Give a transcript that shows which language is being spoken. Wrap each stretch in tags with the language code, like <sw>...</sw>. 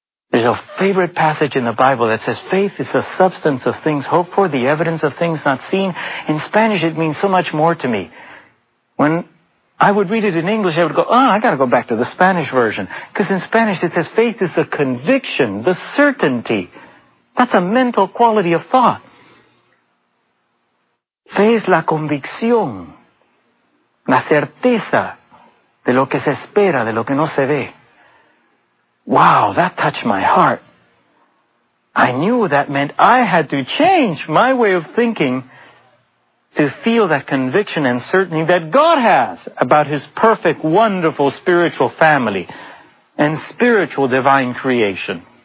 <en>There's a favorite passage in the Bible that says, faith is the substance of things hoped for, the evidence of things not seen. In Spanish, it means so much more to me. When I would read it in English, I would go, oh, I got to go back to the Spanish version. Because in Spanish, it says, faith is the conviction, the certainty. That's a mental quality of thought.</en> <es>Fe es la convicción, la certeza de lo que se espera, de lo que no se ve.</es> <en>Wow, that touched my heart. I knew that meant I had to change my way of thinking to feel that conviction and certainty that God has about His perfect, wonderful spiritual family and spiritual divine creation.</en>